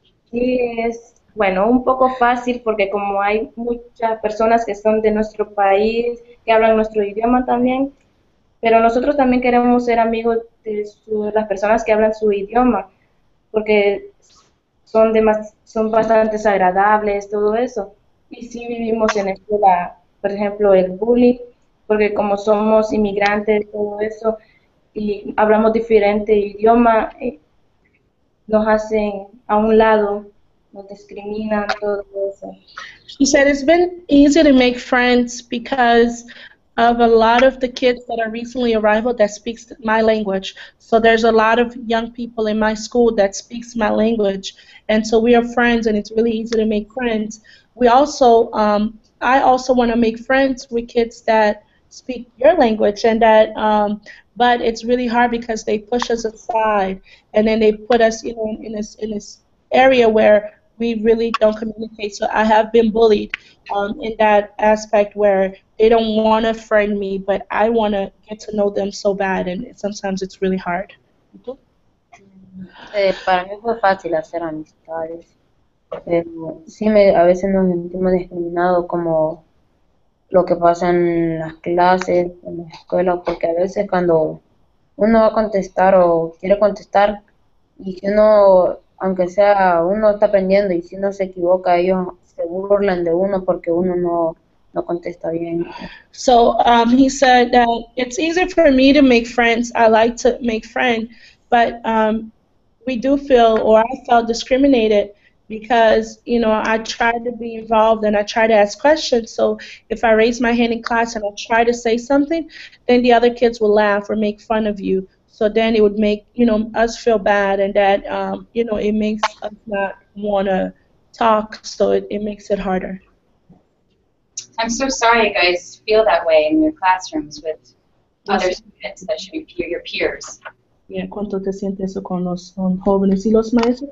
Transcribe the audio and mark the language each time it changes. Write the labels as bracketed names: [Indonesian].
[Spanish] Sí, es, bueno, un poco fácil porque como hay muchas personas que son de nuestro país, que hablan nuestro idioma también, pero nosotros también queremos ser amigos de las personas que hablan su idioma porque son bastante agradables, todo eso. Y sí vivimos en escuela, por ejemplo, el bullying, porque como somos inmigrantes, todo eso, y hablamos diferente idioma, nos hacen a un lado, nos discriminan, todo eso. [English] She said it's been easy to make friends because of a lot of the kids that are recently arrived that speaks my language. So there's a lot of young people in my school that speaks my language. And so we are friends, and it's really easy to make friends. We also, I also want to make friends with kids that speak your language, and that, but it's really hard because they push us aside, and then they put us, you know, in this area where we really don't communicate. So I have been bullied in that aspect where they don't want to friend me, but I want to get to know them so bad, and sometimes it's really hard. [Spanish] Para mí fue fácil hacer amistades. Pero sí, a veces nos sentimos discriminados como lo que pasa en las clases, en la escuela, porque a veces cuando uno va a contestar o quiere contestar, y si uno, aunque sea, uno está aprendiendo, y si uno se equivoca, ellos se burlan de uno porque uno no contesta bien. [English] So, he said that it's easier for me to make friends, I like to make friends, but we do feel, or I felt discriminated, because, you know, I try to be involved and I try to ask questions. So if I raise my hand in class and I try to say something, then the other kids will laugh or make fun of you. So then it would make, you know, us feel bad, and that, you know, it makes us not want to talk. So it makes it harder. I'm so sorry you guys feel that way in your classrooms with other students that should be your peers. [Spanish] Yeah, ¿cuánto te sientes eso con los jóvenes y los maestros?